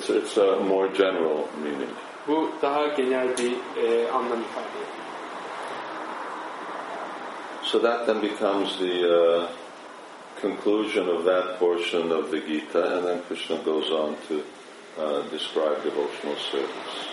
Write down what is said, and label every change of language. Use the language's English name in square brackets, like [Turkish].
[English] It's a more general meaning. [Turkish] Bu daha genel bir anlam ifade ediyor. [English] So that then becomes the conclusion of that portion of the Gita, and then Krishna goes on to describe devotional service.